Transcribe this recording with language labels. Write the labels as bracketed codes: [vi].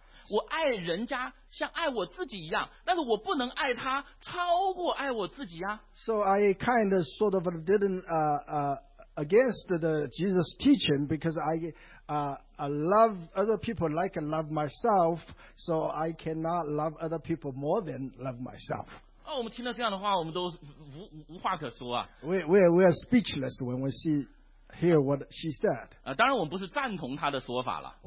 [zh] 我爱人家像爱我自己一样，但是我不能爱他超过爱我自己啊。 [en] So I kind of sort of didn't against the Jesus teaching because I love other people like I love myself, so I cannot love other people more than love myself. [zh] 哦，我们听到这样的话，我们都无话可说啊。 [en] We are speechless when we see hear what she said. [zh] 当然我们不是赞同她的说法了。